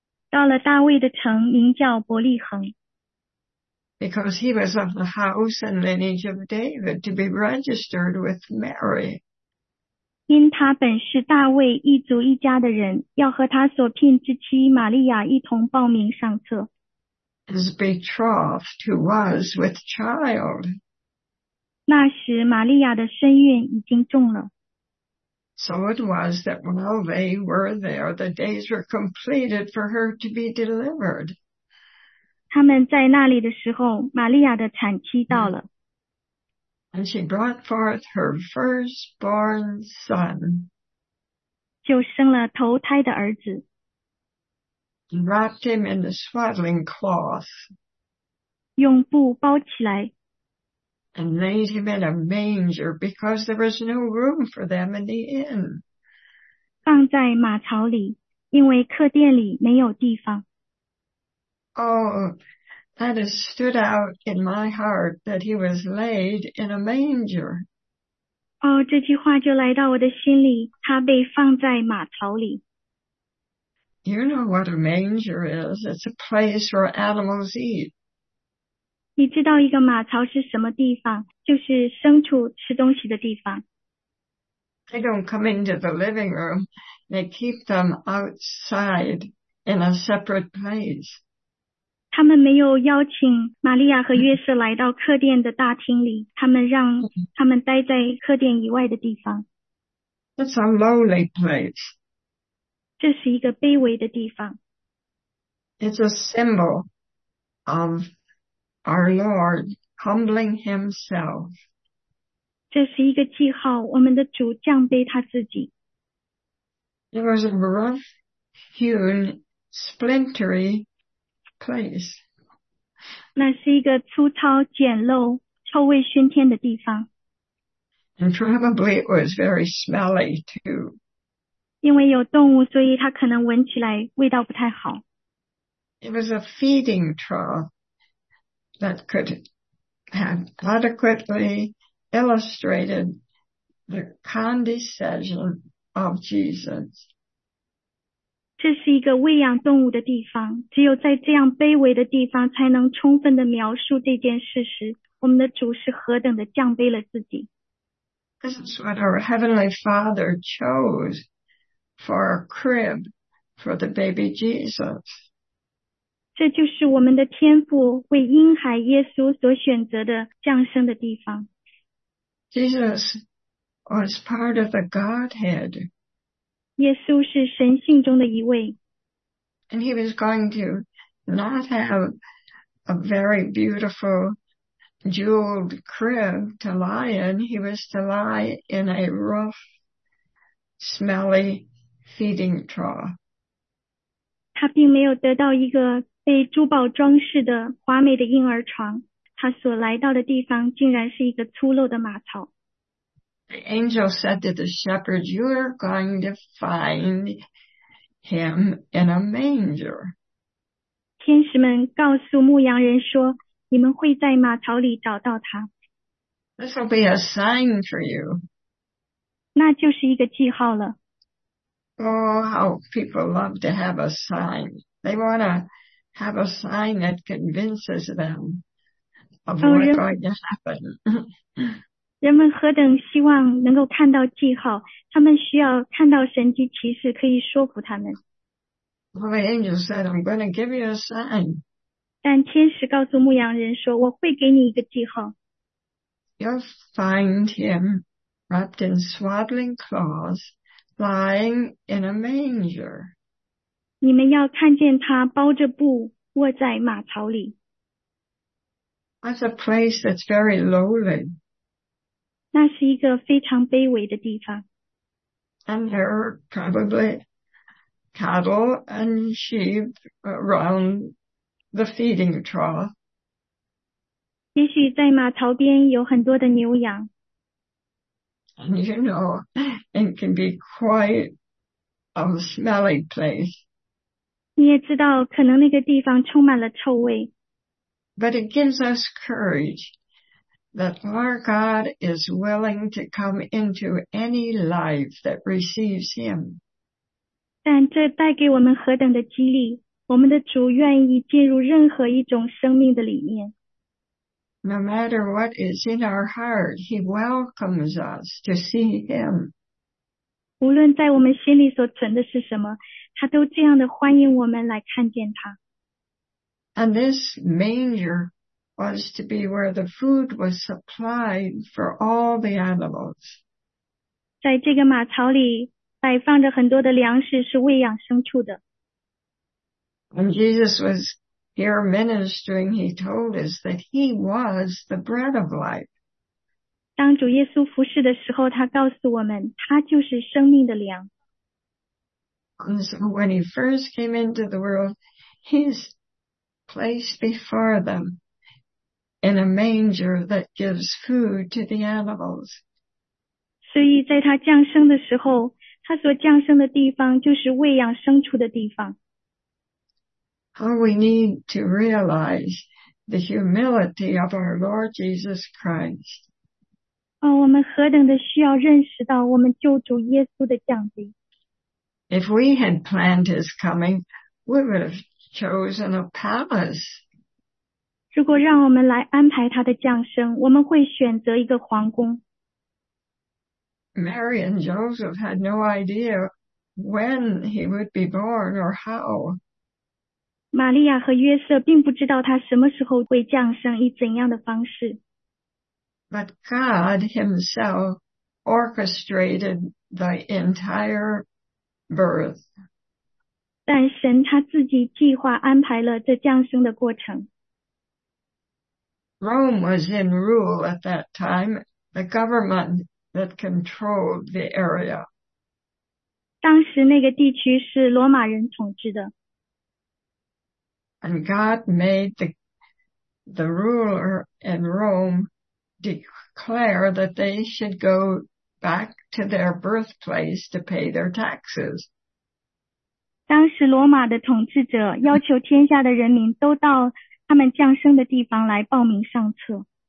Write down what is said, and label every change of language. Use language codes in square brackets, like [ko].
[zh] 到了大卫的城，名叫伯利恒。 [en] Because he was of the house and lineage of David to be registered with Mary. [zh] 因他本是大卫一族一家的人，要和他所聘之妻玛利亚一同报名上册。 [en] His betrothed who was with child. [zh] 那时玛利亚的身孕已经重了。 [en] So it was that while they were there, the days were completed for her to be delivered. [zh] 他们在那里的时候，玛利亚的产期到了。 [en] And she brought forth her firstborn son. [zh] 就生了头胎的儿子。 [en] Wrapped him in the swaddling cloth. [zh] 用布包起来。 [en] And laid him in a manger because there was no room for them in the inn. [zh] 放在马槽里，因为客店里没有地方。 [en] That has stood out in my heart that he was laid in a manger. [zh] 哦，这句话就来到我的心里，他被放在马槽里。 [en] You know what a manger is. It's a place where animals eat. [zh] 你知道一个马槽是什么地方？就是牲畜吃东西的地方。 [en] They don't come into the living room. They keep them outside in a separate place. [zh] 他们没有邀请玛利亚和约瑟来到客店的大厅里，他们让他们待在客店以外的地方。 [en] It's a lowly place. [zh] 这是一个卑微的地方。 [en] It's a symbol of our Lord humbling himself. [zh] 这是一个记号，我们的主降卑他自己。 [en] It was a rough-hewn, splintery place. [zh] 那是一个粗糙、简陋、臭味熏天的地方。 [en] And probably it was very smelly too. [zh] 因为有动物，所以它可能闻起来味道不太好。 [en] It was a feeding trough that could have adequately illustrated the condescension of Jesus. [zh] 这是一个喂养动物的地方，只有在这样卑微的地方，才能充分地描述这件事实，我们的主是何等的降卑了自己。 [en] This is what our Heavenly Father chose for a crib for the baby Jesus. [zh] 这就是我们的天父为婴孩耶稣所选择的降生的地方。 [en] Jesus was part of the Godhead. [zh] 耶稣是神性中的一位。 [en] And he was going to not have a very beautiful jeweled crib to lie in. He was to lie in a rough, smelly feeding trough. [zh] 他并没有得到一个被珠宝装饰的华美的婴儿床，他所来到的地方竟然是一个粗陋的马槽。 [en] The angel said to the shepherds, you are going to find him in a manger. [zh] 天使们告诉牧羊人说，你们会在马槽里找到他。 [en] This will be a sign for you. [zh] 那就是一个记号了。 [en] Oh, how people love to have a sign. They want to have a sign that convinces them of what's going to happen. [zh] 人们何等希望能够看到记号，他们需要看到神迹奇事，可以说服他们。 [en] Well, the angel said, I'm going to give you a sign. [zh] 但天使告诉牧羊人说，我会给你一个记号。 [en] you'll find him wrapped in swaddling cloths, lying in a manger. [zh] 你们要看见他包着布卧在马槽里。 [en] That's a place that's very lowly. [zh] 那是一个非常卑微的地方。 [en] And there are probably cattle and sheep around the feeding trough. [zh] 也许在马槽边有很多的牛羊。 [en] And you know, it can be quite a smelly place. [zh] 你也知道可能那个地方充满了臭味。 [en] But it gives us courage that our God is willing to come into any life that receives him. [zh] 但这带给我们何等的激励，我们的主愿意进入任何一种生命的里面。 [en] No matter what is in our heart, he welcomes us to see him. [zh] 无论在我们心里所存的是什么，他都这样的欢迎我们来看见他。 [en] And this manger was to be where the food was supplied for all the animals. [zh] 在这个马槽里摆放着很多的粮食，是喂养牲畜的。 [en] When Jesus was here ministering, he told us that he was the bread of life. [zh] 当主耶稣服侍的时候，他告诉我们，他就是生命的粮。 [en] And so when he first came into the world, he's placed before them in a manger that gives food to the animals. [zh] 所以在他降生的时候，他所降生的地方就是喂养牲畜的地方。 [en] How we need to realize the humility of our Lord Jesus Christ. [zh] 哦，我们何等的需要认识到我们救主耶稣的降临。 [en] If we had planned his coming, we would have chosen a palace. [zh] 如果让我们来安排他的降生，我们会选择一个皇宫。 [en] Mary and Joseph had no idea when he would be born or how. [zh] 玛利亚和约瑟并不知道他什么时候会降生，以怎样的方式。 [en] But God himself orchestrated the entire birth. [zh] 但神他自己计划安排了这降生的过程。 [en] Rome was in rule at that time, the government that controlled the area. [zh] 当时那个地区是罗马人统治的。 [en] And God made the ruler in Rome declare that they should go back to their birthplace to pay their taxes. [zh] 当时罗马的统治者要求天下的人民都到他们降生的地方来报名上册。